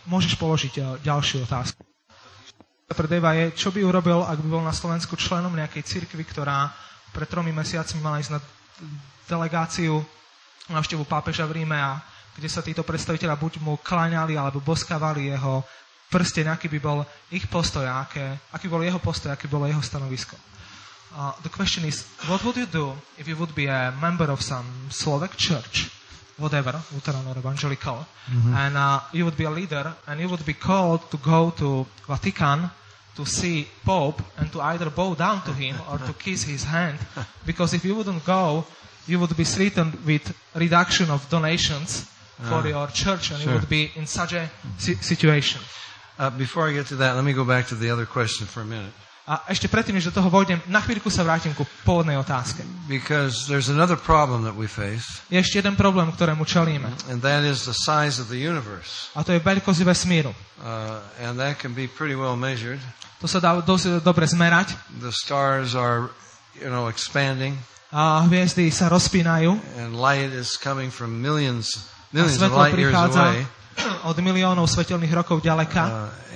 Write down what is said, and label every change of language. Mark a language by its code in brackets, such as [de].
[sk] Môžeš položiť ďalšiu otázku. Pre Deva je, čo by urobil, ak by bol na Slovensku členom nejakej cirkvi, ktorá pred 3 mesiacmi mala ísť na delegáciu návštevu pápeža v Ríme a kde sa títo predstaviteľa buď mu kláňali alebo boskávali jeho prsteň, aký by bol ich postoj, aký bol jeho postoj, aké bolo jeho stanovisko. [en] The question is, what would you do if you would be a member of some Slovak church, whatever, Lutheran or evangelical, mm-hmm. and you would be a leader, and you would be called to go to Vatican to see Pope and to either bow down to him or to kiss his hand, because if you wouldn't go, you would be threatened with reduction of donations for your church, and sure. You would be in such a situation. Before I get to that, let me go back to the other question for a minute. [sk] A ešte predtým, než do toho vojdem, na chvíľku sa vrátim ku pôvodnej otázke. [en] Because there's another problem that we face. [sk] Je ešte jeden problém, ktorému čelíme. [en] And that is the size of the universe. [sk] A to je veľkosť vesmíru. [en] And that can be pretty well measured. [sk] To sa dá dosť dobre zmerať. [en] The stars are, you know, expanding. [sk] A hviezdy sa rozpínajú. [en] And light is coming from millions of light years away. [sk] A svetlo prichádza od miliónov svetelných rokov ďaleka.